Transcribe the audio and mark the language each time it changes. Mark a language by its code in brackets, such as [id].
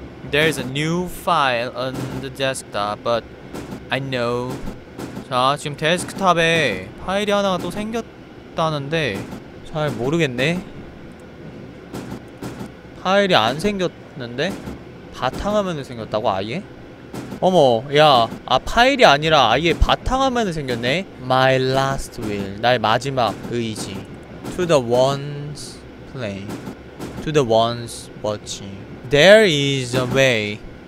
[en] There's a new file on the desktop, but I know. [ko] 자, 지금 데스크탑에 파일이 하나가 또 생겼다는데 잘 모르겠네. 타일이 안 생겼는데? 바탕화면에 생겼다고 아예? 어머 야, 아 파일이 아니라 아예 바탕화면에 생겼네? [en] My last will, [ko] 나의 마지막 의지. [en] To the ones play, to the ones watching, there is a way.